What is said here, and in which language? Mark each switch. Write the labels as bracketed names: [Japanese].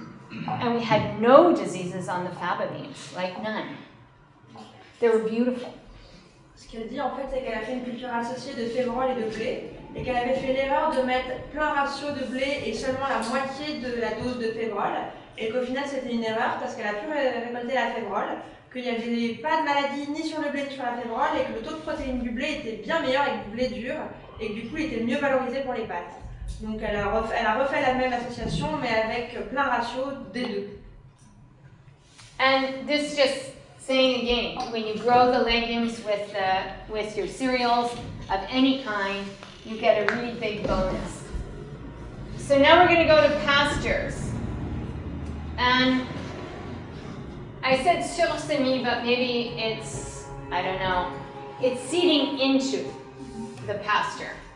[English] And we had no diseases on the fava beans, like none. They were beautiful. [French] Ce qu'elle dit en fait, c'est qu'elle a fait une culture associée de févrole et de blé, et qu'elle avait fait l'erreur de mettre plein ratio de blé et seulement la moitié de la dose de févrole, et qu'au final c'était une erreur parce qu'elle a pu récolter la févrole. Qu'il n'y avait pas de maladie ni sur le blé ni sur la févrole et que le taux de protéines du blé était bien meilleur avec du blé dur et que du coup il était mieux valorisé pour les pâtes. Donc elle a refait la même association, mais avec plein ratio des deux. [English] And this just saying again, when you grow the legumes with your cereals of any kind, you get a really big bonus. So now we're going to go to pastures. And I said sursemi, but maybe it's, I don't know, it's seeding into the pasture.